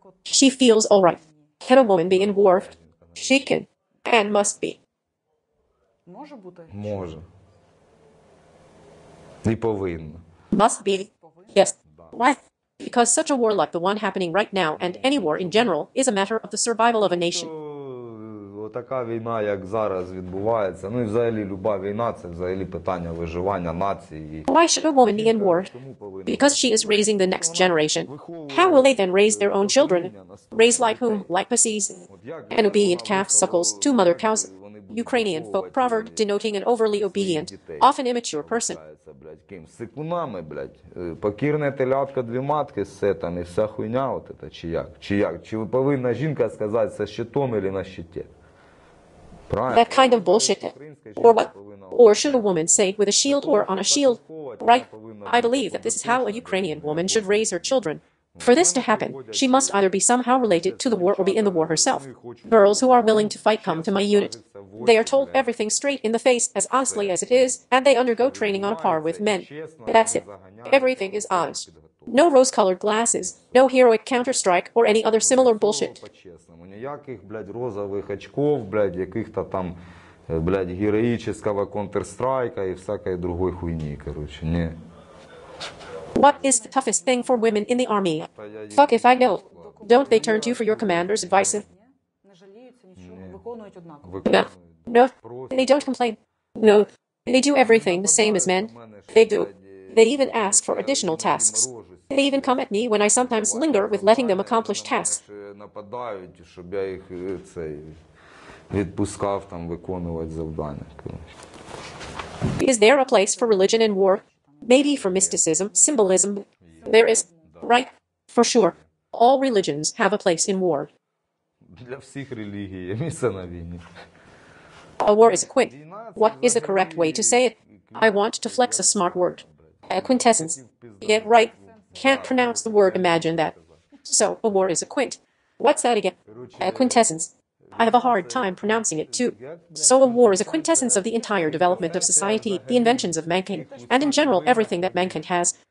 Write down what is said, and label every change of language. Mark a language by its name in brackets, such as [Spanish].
[English] She feels all right. Can a woman be in war? She can and must be. [Ukrainian] Може бути? Може. І повинна. [English] Must be. Yes. Why? Because such a war like the one happening right now and any war in general is a matter of the survival of a nation. [Ukrainian] Отака війна, як зараз відбувається, ну і взагалі люба війна, це взагалі питання виживання нації. [English] Why should a woman be in war? Because she is raising the next generation. How will they then raise their own children? Raise like whom? Like pussies? An obedient calf suckles two mother cows. Ukrainian folk proverb denoting an overly obedient, often immature person. [Ukrainian] Секунами, блядь. Покірне телятка, дві матки, все там, і вся хуйня от ета, чи як? Чи як? Чи повинна жінка сказати, це щитом [Russian] или на щите? [English] That kind of bullshit. Or what? Or should a woman say, with a shield or on a shield? Right? I believe that this is how a Ukrainian woman should raise her children. For this to happen, she must either be somehow related to the war or be in the war herself. Girls who are willing to fight come to my unit. They are told everything straight in the face, as honestly as it is, and they undergo training on a par with men. That's it. Everything is honest. No rose-colored glasses, no heroic counter-strike or any other similar bullshit. [Ukrainian] Ніяких, блядь, розових очков, блядь, яких-то там, блядь, героїчного контрстрайка і всякої другої хуйні, короче, ні. [English] What is the toughest thing for women in the army? Fuck if I know. Don't they turn to you for your commander's advice? [Ukrainian] Не жаліються нічого, виконують однаково. [English] No, they don't complain. No, they do everything the same as men. They do. They even ask for additional tasks. They even come at me when I sometimes linger with letting them accomplish tasks. [Ukrainian] Нападають, щоб я їх цей відпускав там виконувати завдання. [English] Is there a place for religion in war? Maybe for mysticism, symbolism? There is, right? For sure. All religions have a place in war. [Ukrainian] Для всіх релігій є місце на війні. [English] A war is a quint. What is the correct way to say it? I want to flex a smart word. A quintessence. Yeah, right. Can't pronounce the word, imagine that. So, a war is a quint. What's that again? A quintessence. I have a hard time pronouncing it, too. So a war is a quintessence of the entire development of society, the inventions of mankind, and in general, everything that mankind has.